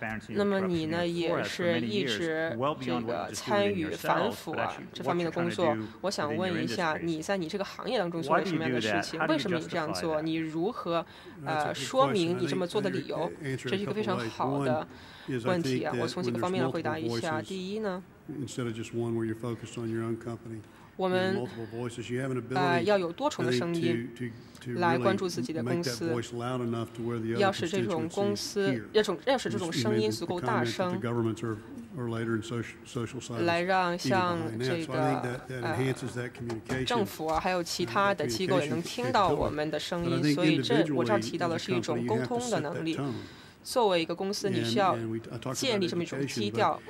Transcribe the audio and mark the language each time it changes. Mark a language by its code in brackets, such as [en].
[zh] 那么你呢，也是一直这个参与反腐啊这方面的工作。我想问一下，你在你这个行业当中做了什么样的事情？为什么你这样做？你如何说明你这么做的理由？这是一个非常好的问题啊！我从几个方面来回答一下。第一呢？ [en] Instead of just one where you're focused on your own company, multiple voices, you have an ability to really make that voice loud enough to where the other constituencies hear. [zh] 要使这种声音足够大声。 [en] The governments are later in social society. [zh] 来让像这个政府啊，还有其他的机构也能听到我们的声音。所以这我这儿提到的是一种沟通的能力。作为一个公司，你需要建立这么一种基调。